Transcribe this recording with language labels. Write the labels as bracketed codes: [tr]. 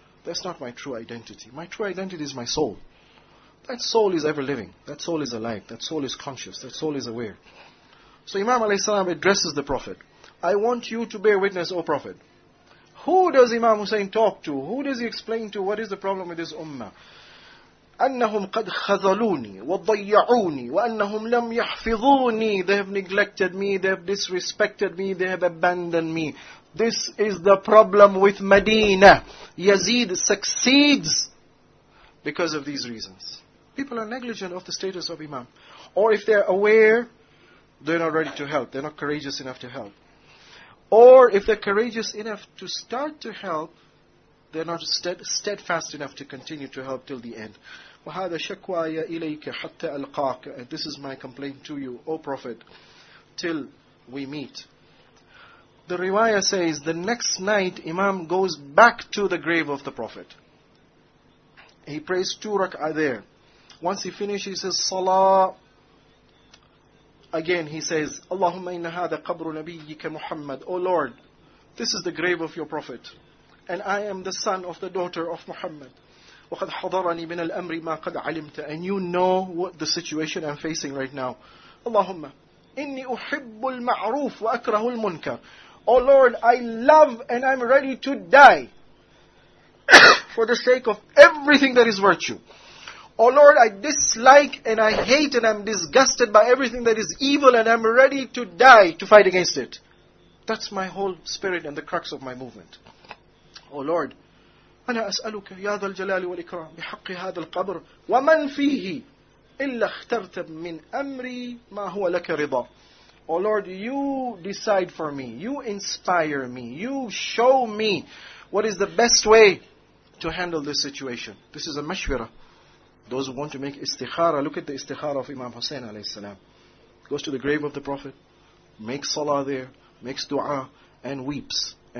[en] That's not my true identity. My true identity is my soul. That soul is ever living. That soul is alive. That soul is conscious. That soul is aware. So Imam alayhi salam addresses the Prophet. I want you to bear witness, O Prophet. Who does Imam Hussein talk to? Who does he explain to? What is the problem with this ummah? [ar] أنهم قد خذلوني وضيعوني وأنهم لم يحفظوني. [en] They have neglected me, they have disrespected me, they have abandoned me. This is the problem with Medina. Yazid succeeds because of these reasons. People are negligent of the status of Imam. Or if they're aware, they're not ready to help. They're not courageous enough to help. Or if they're courageous enough to start to help, they're not steadfast enough to continue to help till the end. [ar] وَهَذَا شَكْوَى يَا إِلَيْكَ حَتَّى أَلْقَاكَ. [en] And this is my complaint to you, O Prophet, till we meet. The riwayah says, the next night, Imam goes back to the grave of the Prophet. He prays two rak'ah there. Once he finishes his salah, again he says, [ar] اللهم إِنَّ هَذَا قَبْرُ نَبِيِّكَ مُحَمَّدٍ. [en] O Lord, this is the grave of your Prophet. And I am the son of the daughter of Muhammad. [ar] وَقَدْ حَضَرَنِي مِنَ الْأَمْرِ مَا قَدْ عَلِمْتَ. [en] And you know what the situation I'm facing right now. [ar] اللهم إني أحب المعروف وأكره المنكر. [en] Oh Lord, I love and I'm ready to die for the sake of everything that is virtue. Oh Lord, I dislike and I hate and I'm disgusted by everything that is evil and I'm ready to die to fight against it. That's my whole spirit and the crux of my movement. O Lord, [ar] أنا أسألك يا ذا الجلال والإكرام بحق هذا القبر ومن فيه إلا اخترت من أمري ما هو لك رضا. [en] O Lord, you decide for me, you inspire me, you show me what is the best way to handle this situation. This is a mashwira. Those who want to make istikhara, look at the istikhara of Imam Hussein alayhi salam. Goes to the grave of the Prophet, makes salah there, makes dua, and weeps.